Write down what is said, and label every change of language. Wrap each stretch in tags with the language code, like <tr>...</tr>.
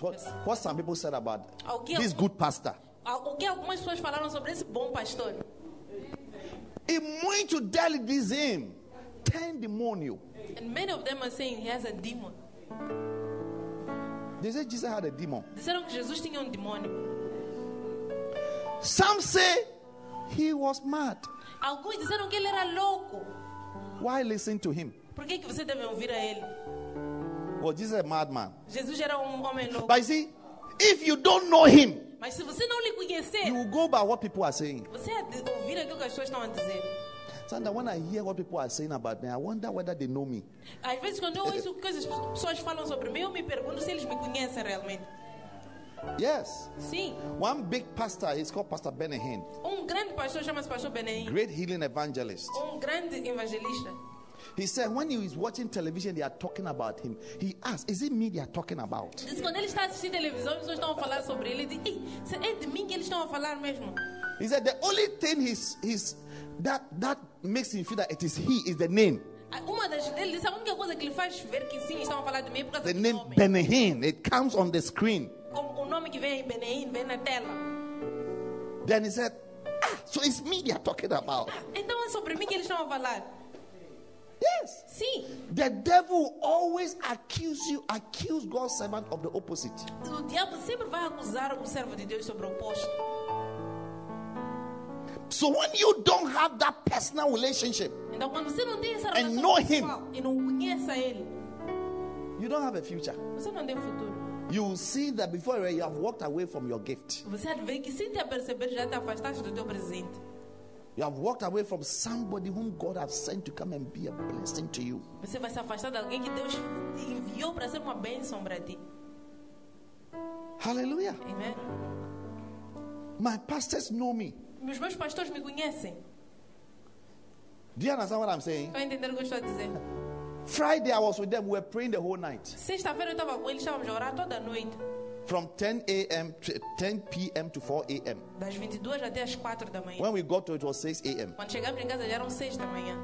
<en>What some people said about this good pastor?</en> <pt>O que algumas pessoas falaram sobre esse bom pastor? E muito dele dizem, tem demônio.</pt> <en>And many of them are saying he has a demon. They said Jesus had a demon.</en> <pt>Disseram que Jesus tinha demônio.</pt> <en>Some say he was mad.</en> <pt>Alguns disseram que ele era louco.</pt> <en>Why listen to him?</en> <pt>Por que você deve ouvir a ele?</pt> <en>Well, Jesus is a madman.</en> <pt>Jesus era homem louco.</pt> <en>But you see, if you don't know him,</en> <pt>mas se você não lhe conhecer,</pt> <en>you will go by what people are saying.</en> <pt>Você ouvir aquilo que as pessoas estão a dizer.</pt> <en>Sometimes when I hear what people are saying about me, I wonder whether they know me.</en> <pt>Às vezes quando eu ouço coisas que pessoas falam sobre mim, eu me pergunto se eles me conhecem realmente.</pt> <en>Yes.</en> <pt>Sim.</pt> <en>One big pastor, he's called Pastor Benny Hinn.</en> <pt>Um grande pastor chama-se Pastor Benny Hinn.</pt> <en>Great healing evangelist.</en> <pt>Um grande evangelista.</pt> <en>He said, when he is watching television, they are talking about him. He asked, "Is it me they are talking about?"</en> <pt>Diz quando ele está assistindo televisão, as pessoas estão a falar sobre ele. Diz, é de mim que eles estão a falar mesmo.</pt> <en>He said, the only thing he's that makes him feel that it is he is the name.</en> <pt>Uma das ele disse a única coisa que ele faz ver que sim estão a falar de mim por causa do nome.</pt> <en>The name Benny Hinn, it comes on the screen.</en> <pt>O nome que vem Benny Hinn vem na tela.</pt> <en>Then he said, so it's me they are talking about.</en> <pt>Então é sobre mim que eles estão a falar.</pt> <en>Yes.</en> <pt>Sim.</pt> <en>The devil always accuse God's servant of the opposite.</en> <pt>O diabo sempre vai acusar o servo de Deus sobre o oposto.</pt> <en>So when you don't have that personal relationship,</en> <pt>então quando você não tem essa relação</pt> <en>and know him,</en> <pt>e não conheça ele,</pt> <en>you don't have a future.</en> <pt>Você não tem futuro.</pt> <en>You will see that before you have walked away from your gift.</en> <pt>Você há de ver que sem te aperceber já te afastaste do teu presente.</pt> <en>You have walked away from somebody whom God has sent to come and be a blessing to you.</en> <pt>Você vai se afastar de alguém que Deus enviou para ser uma bênção para ti. Hallelujah. Amen.</pt> <en>My pastors know me.</en> <pt>Meus meus pastores me conhecem.</pt> <en>Do you understand what I'm saying?</en> <pt>Vai entender o que eu estou a dizer.</pt> <en>Friday I was with them. We were praying the whole night.</en> <pt>Sexta-feira eu estava com eles, estávamos a orar toda a noite.</pt> <en>From 10 p.m. to 4 a.m.</en> <pt>Das 22 até as 4 da manhã.</pt> <en>When we got to it was 6 a.m.</en> <pt>Quando chegamos em casa já eram 6 da manhã.</pt>